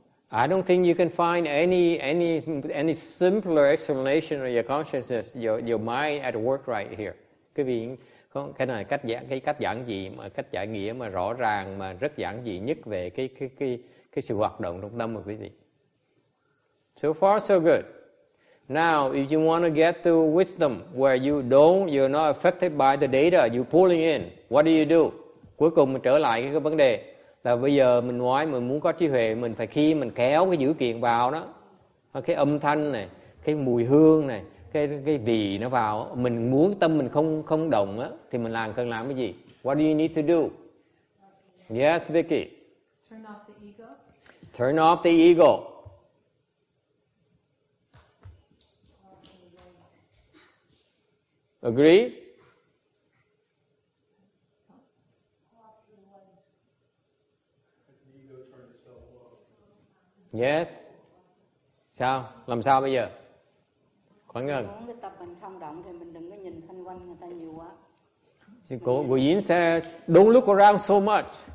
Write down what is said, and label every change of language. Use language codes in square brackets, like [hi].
[en] I don't think you can find any simpler explanation of your consciousness, your mind at work right here. [vi] Cái này cách giải nghĩa mà rõ ràng mà rất giản dị nhất về cái sự hoạt động trong tâm của quý vị. [en] So far so good. Now, if you want to get to wisdom where you're not affected by the data you're pulling in, what do you do? [vi] Cuối cùng mình trở lại cái vấn đề là bây giờ mình nói mình muốn có trí huệ, mình phải khi mình kéo cái dữ kiện vào đó, cái âm thanh này, cái mùi hương này, cái vị nó vào, mình muốn tâm mình không động á, thì mình cần làm cái gì? [en] What do you need to do? Yes, Vicky. Turn off the ego. Turn off the ego. Agree? [vi] Yes. Sao? Làm sao bây giờ? Khoảng ngân. Muốn cái tập mình không động thì mình đừng có nhìn xung quanh người ta nhiều quá. Của Yến sẽ [en] don't look around so much.